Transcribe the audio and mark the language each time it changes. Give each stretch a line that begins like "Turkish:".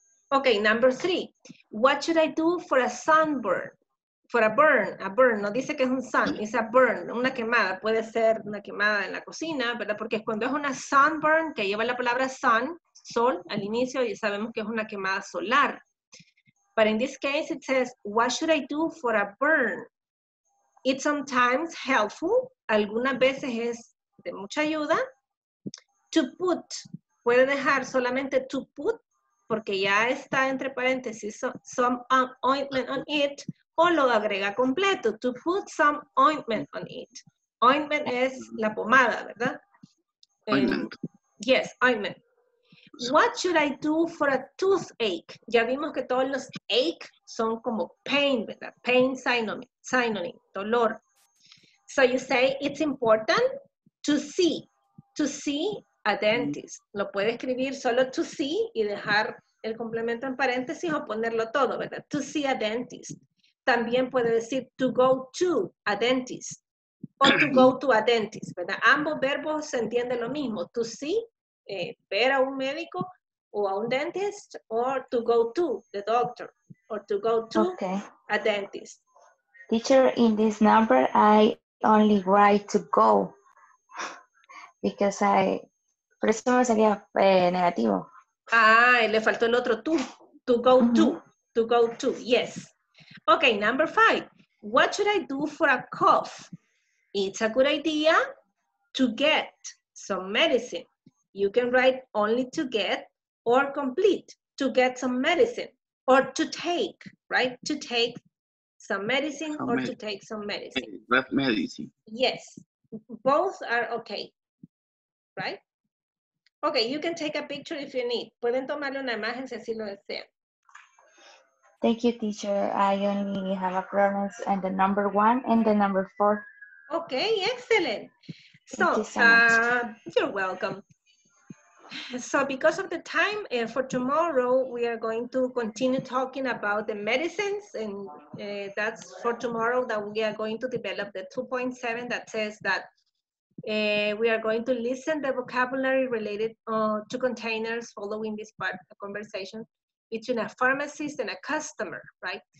English: Ok, number three. What should I do for a sunburn? For a burn,
Spanish: no dice que es un sun, es
English: a burn,
Spanish: una quemada. Puede ser una quemada en la cocina, ¿verdad? Porque cuando es una sunburn, que lleva la palabra sun, sol, al inicio, y sabemos que es una quemada solar.
English: But in this case, it says, what should I do for a burn? It's sometimes helpful,
Spanish: algunas veces es de mucha ayuda.
English: To put,
Spanish: puede dejar solamente
English: to put,
Spanish: porque ya está entre paréntesis,
English: some ointment on it,
Spanish: o lo agrega completo,
English: to put some ointment on it.
Spanish: Ointment es la pomada, ¿verdad?
English: Ointment. Yes, ointment. What should I do for a toothache?
Spanish: Ya vimos que todos los ache son como pain, ¿verdad?
English: Pain synonym, dolor. So you say it's important to see a dentist.
Spanish: Lo puede escribir solo
English: to see
Spanish: y dejar el complemento en paréntesis o ponerlo todo, ¿verdad?
English: To see a dentist.
Spanish: También puede decir
English: to go to a dentist o to go to a dentist,
Spanish: ¿verdad? Ambos verbos se entienden lo mismo.
English: To see,
Spanish: ver a un médico o a un
English: dentist, or to go to the doctor, or to go to a dentist. Teacher, in this number, I only write to go because I,
Spanish: por eso me salía negativo.
English: Ah,
Spanish: le faltó el otro
English: to go to go to, yes. Okay, number five. What should I do for a cough? It's a good idea to get some medicine. You can write only to get or complete, to get some medicine or to take, right? To take some medicine or to take some medicine. That medicine. Yes, both are okay, right? Okay, you can take a picture if you need.
Spanish: Pueden tomarle una imagen si así lo desean.
English: Thank you, teacher. I only have a pronouns and the number one and the number four. Okay, excellent. So, you're welcome. So because of the time, for tomorrow, we are going to continue talking about the medicines, and that's for tomorrow that we are going to develop the 2.7 that says that we are going to listen the vocabulary related to containers following this part of the conversation between a pharmacist and a customer, right?